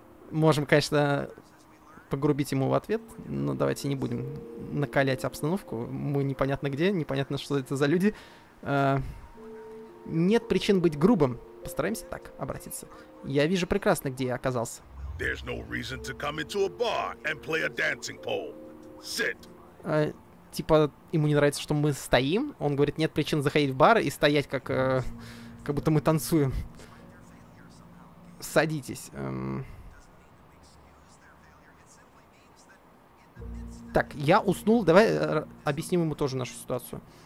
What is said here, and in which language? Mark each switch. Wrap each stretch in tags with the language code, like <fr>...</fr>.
<ru>Можем, конечно, погрубить ему в ответ, но давайте не будем накалять обстановку. Мы непонятно где, непонятно, что это за люди. Нет причин быть грубым. Постараемся так обратиться. Я вижу прекрасно, где я оказался.</ru> <en>There's no reason to come into a bar and play a dancing pole. Sit.</en> <ru>Типа, ему не нравится, что мы стоим. Он говорит, нет причин заходить в бар и стоять, как будто мы танцуем. Садитесь. Так, я уснул. Давай объясним ему тоже нашу ситуацию.</ru>